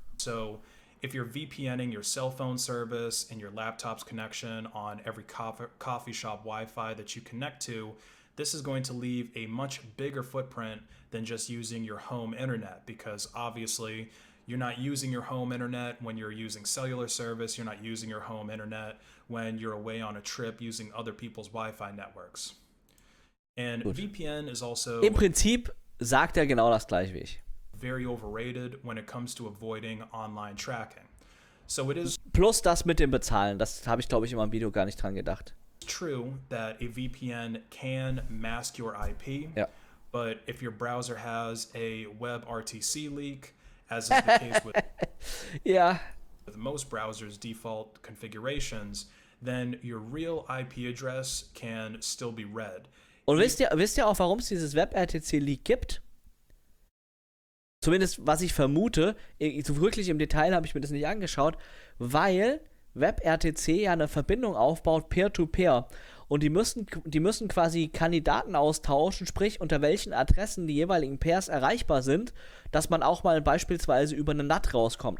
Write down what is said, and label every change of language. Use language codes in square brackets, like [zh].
[en] So if you're VPNing your cell phone service and your laptop's connection on every coffee shop Wi-Fi that you connect to, this is going to leave a much bigger footprint than just using your home internet, because obviously you're not using your home internet when you're using cellular service. You're not using your home internet when you're away on a trip using other people's Wi-Fi networks. And gut. VPN is also... [de] Im Prinzip sagt er genau das gleiche wie ich. [en] Very overrated when it comes to avoiding online tracking. So it is... [de] Plus das mit dem Bezahlen. Das habe ich, glaube ich, in meinem Video gar nicht dran gedacht. [en] It's true that a VPN can mask your IP. [de] Ja. [en] But if your browser has a WebRTC leak... As is the case with, yeah. with most browsers' default configurations, then your real IP address can still be read. [de] Und wisst ihr auch, warum es dieses WebRTC-Leak gibt? Zumindest, was ich vermute, wirklich im Detail habe ich mir das nicht angeschaut, weil WebRTC ja eine Verbindung aufbaut peer-to-peer. Und die müssen quasi Kandidaten austauschen, sprich unter welchen Adressen die jeweiligen Pairs erreichbar sind, dass man auch mal beispielsweise über eine NAT rauskommt.